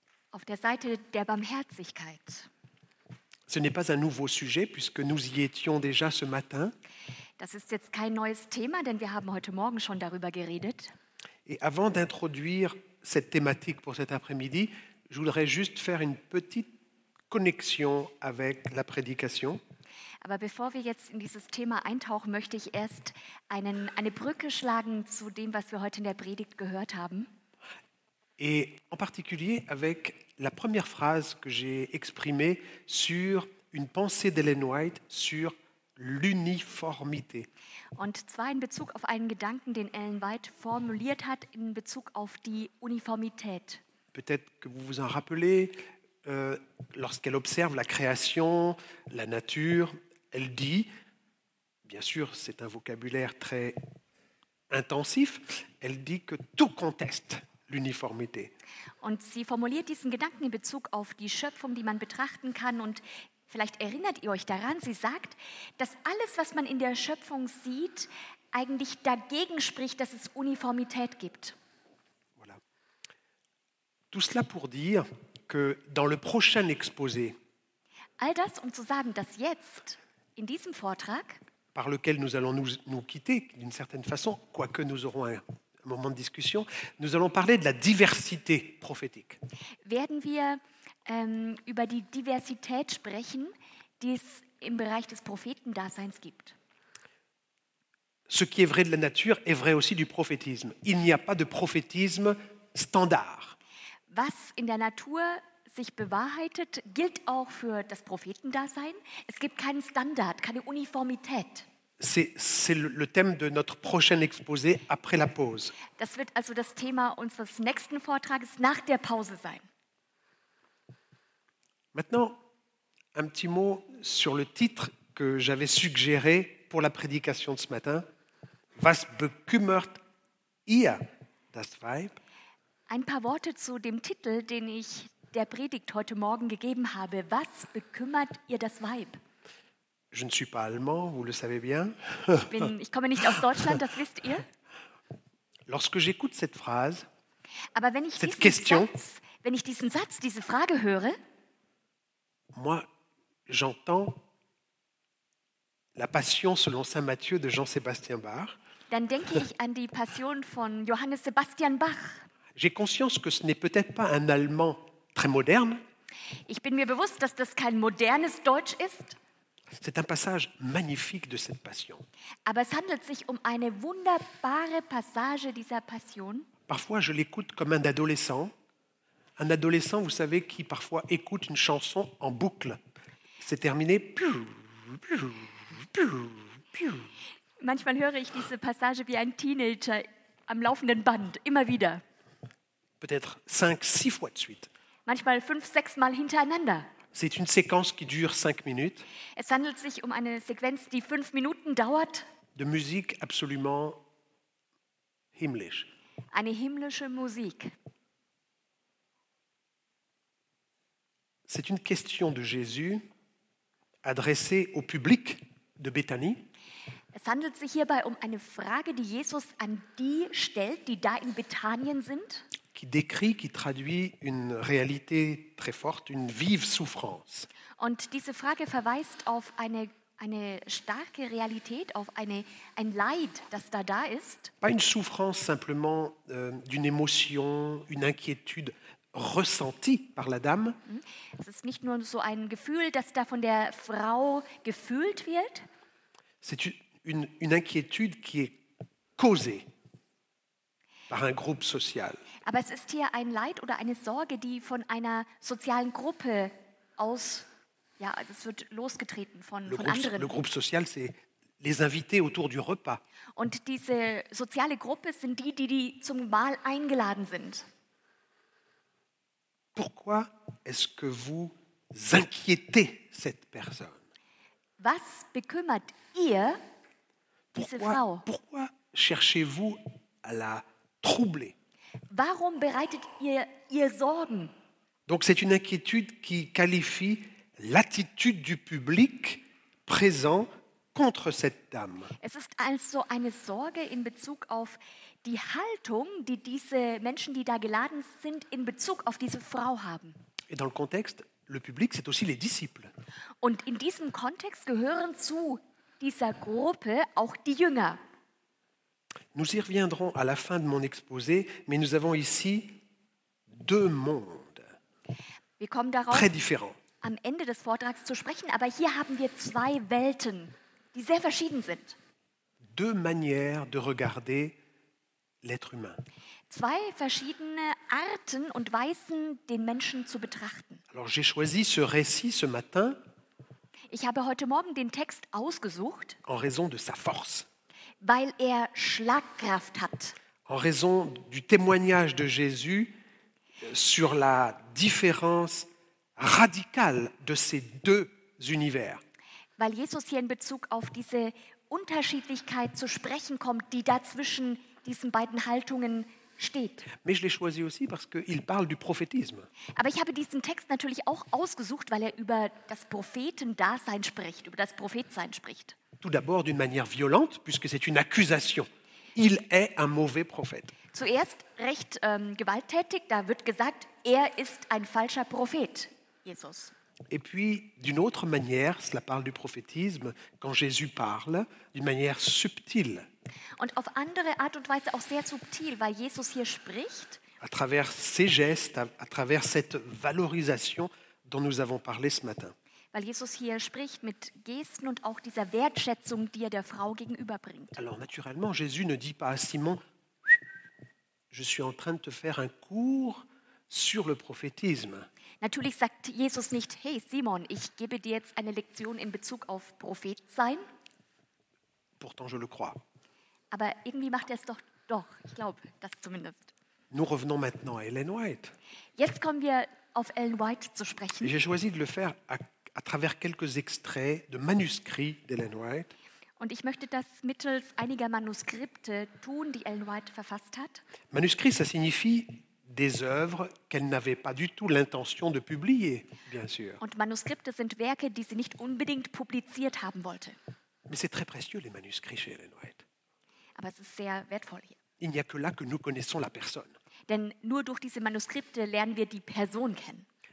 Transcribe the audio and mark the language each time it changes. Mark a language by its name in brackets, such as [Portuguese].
[German] Auf der Seite der Barmherzigkeit. [French] Ce n'est pas un nouveau sujet puisque nous y étions déjà ce matin. [German] Das ist jetzt kein neues Thema, denn wir haben heute Morgen schon darüber geredet. [French] Et avant d'introduire cette thématique pour cet après-midi, je voudrais juste faire une petite connexion avec la prédication. [German] Aber bevor wir jetzt in dieses Thema eintauchen, möchte ich erst eine Brücke schlagen zu dem, was wir heute in der Predigt gehört haben. [French] Et en particulier avec la première phrase que j'ai exprimée sur une pensée d'Ellen White sur l'uniformité. [German] Und zwar in Bezug auf einen Gedanken, den Ellen White formuliert hat in Bezug auf die Uniformität. [French] Peut-être que vous vous en rappelez. Lorsqu'elle observe la création, la nature, elle dit, bien sûr, c'est un vocabulaire très intensif, elle dit que tout conteste l'uniformité. [German] Und sie formuliert diesen Gedanken in Bezug auf die Schöpfung, die man betrachten kann. Und vielleicht erinnert ihr euch daran, sie sagt, dass alles, was man in der Schöpfung sieht, eigentlich dagegen spricht, dass es Uniformität gibt. [French] Voilà. Tout cela pour dire que dans le prochain exposé, [German] all das, um zu sagen, dass jetzt, in diesem Vortrag, [French] par lequel nous allons nous quitter, d'une certaine façon, quoique nous aurons un moment de discussion, nous allons parler de la diversité prophétique. [German] Werden wir über die Diversität sprechen, die es im Bereich des Prophetendaseins gibt. [French] Ce qui est vrai de la nature est vrai aussi du prophétisme. Il n'y a pas de prophétisme standard. [German] Was in der Natur sich bewahrheitet, gilt auch für das Prophetendasein. Es gibt keinen Standard, keine Uniformität. [French] C'est le thème de notre prochain exposé après la pause. [German] Das wird also das Thema unseres nächsten Vortrages nach der Pause sein. [French] Maintenant, un petit mot sur le titre que j'avais suggéré pour la prédication de ce matin. [German] Was bekümmert ihr das Weib? Ein paar Worte zu dem Titel, den ich der Predigt heute Morgen gegeben habe. Was bekümmert ihr das Weib? [French] Je ne suis pas allemand, vous le savez bien. [German] Ich komme nicht aus Deutschland, das wisst ihr. [French] Lorsque j'écoute cette phrase, [German] aber wenn ich [French] cette question, [German] Satz, wenn ich diesen Satz, diese Frage höre, [French] moi, j'entends la passion selon Saint Matthieu de Jean-Sébastien Bach. [German] Dann denke ich an die Passion von Johannes Sebastian Bach. [French] J'ai conscience que ce n'est peut-être pas un allemand très moderne. [German] Ich bin mir bewusst, dass das kein modernes Deutsch ist. [French] C'est un passage magnifique de cette passion. [German] Aber es handelt sich um eine wunderbare Passage dieser Passion. [French] Parfois, je l'écoute comme un adolescent. Un adolescent, vous savez, qui parfois écoute une chanson en boucle. C'est terminé. [German] Manchmal höre ich diese Passage wie ein Teenager am laufenden Band, immer wieder. [French] Peut-être 5-6 fois de suite. [German] Manchmal 5-6 mal hintereinander. [French] C'est une séquence qui dure 5 minutes. [German] Es handelt sich um eine Sequenz, die 5 Minuten dauert. [French] De musique absolument [German] himmlisch. Eine himmlische Musik. [French] C'est une question de Jésus adressée au public de Béthanie. [German] Es handelt sich hierbei um eine Frage, die Jesus an die stellt, die da in Bethanien sind. [French] Qui décrit, qui traduit une réalité très forte, une vive souffrance. [German] Und diese Frage verweist auf eine starke Realität, auf ein Leid, das da ist. [French] Pas une souffrance simplement d'une émotion, une inquiétude ressentie par la dame. [German] Es ist nicht nur so ein Gefühl, das da von der Frau gefühlt wird. [French] C'est une inquiétude qui est causée par un groupe social. [German] Aber es ist hier ein Leid oder eine Sorge, die von einer sozialen Gruppe aus, ja, es wird losgetreten von anderen. [French] Le groupe social, c'est les invités autour du repas. [German] Und diese soziale Gruppe sind die zum Mahl eingeladen sind. [French] Pourquoi est-ce que vous inquiétez cette personne? [German] Was bekümmert ihr diese Frau? [French] Pourquoi cherchez-vous à la troubler? [German] Warum bereitet ihr Sorgen? [French] Donc c'est une inquiétude qui qualifie l'attitude du public présent contre cette dame. [German] Es ist also eine Sorge in Bezug auf die Haltung, die diese Menschen, die da geladen sind, in Bezug auf diese Frau haben. [French] Et dans le contexte, le public, c'est aussi les disciples. [German] Und in diesem Kontext gehören zu dieser Gruppe auch die Jünger. [French] Nous y reviendrons à la fin de mon exposé, mais nous avons ici deux mondes. [German] Wir kommen darauf, [French] très différents. [German] Am Ende des Vortrags zu sprechen, aber hier haben wir zwei Welten, die sehr verschieden sind. [French] Deux manières de regarder l'être humain. [German] Zwei verschiedene Arten und Weisen, den Menschen zu betrachten. [French] Alors, j'ai choisi ce récit ce matin. [German] Ich habe heute Morgen den Text ausgesucht. [French] En raison de sa force. [German] Weil er Schlagkraft hat. [French] En raison du témoignage de Jésus sur la différence radicale de ces deux univers. [German] Weil Jesus hier in Bezug auf diese Unterschiedlichkeit zu sprechen kommt, die dazwischen diesen beiden Haltungen steht. [French] Mais je l'ai choisi aussi parce qu'il parle du prophétisme. [German] Aber ich habe diesen Text natürlich auch ausgesucht, weil er über das Prophetendasein spricht, über das Prophetsein spricht. [French] Tout d'abord d'une manière violente, puisque c'est une accusation. Il est un mauvais prophète. [German] Zuerst recht gewalttätig, da wird gesagt, er ist ein falscher Prophet, Jesus. [French] Et puis, d'une autre manière, cela parle du prophétisme, quand Jésus parle, d'une manière subtile. [German] Und auf andere Art und Weise auch sehr subtil, weil Jesus hier spricht. [French] À travers ses gestes, à travers cette valorisation dont nous avons parlé ce matin. [German] Weil Jesus hier spricht mit Gesten und auch dieser Wertschätzung, die er der Frau gegenüberbringt. [French] Alors naturellement, Jésus ne dit pas à Simon, je suis en train de te faire un cours sur le prophétisme. [German] Natürlich sagt Jesus nicht, hey Simon, ich gebe dir jetzt eine Lektion in Bezug auf Prophetsein. [French] Pourtant, je le crois. [German] Aber irgendwie macht er es doch, ich glaube, das zumindest. [French] Nous revenons maintenant à Ellen White. [German] Jetzt kommen wir auf Ellen White zu sprechen. [French] J'ai choisi de le faire à travers quelques extraits de manuscrits d'Ellen White. [German] Und ich möchte das mittels einiger Manuskripte tun, die Ellen White verfasst hat. [French] Manuskript, ça signifie des œuvres qu'elle n'avait pas du tout l'intention de publier, bien sûr. [German] Und Manuskripte sind Werke, die sie nicht unbedingt publiziert haben wollte. [French] Mais c'est très précieux les manuscrits chez Ellen White. [German] Aber es ist sehr wertvoll hier. [French] Il n'y a que là que nous connaissons la personne. [German] Denn nur durch diese Manuskripte lernen wir die Person kennen.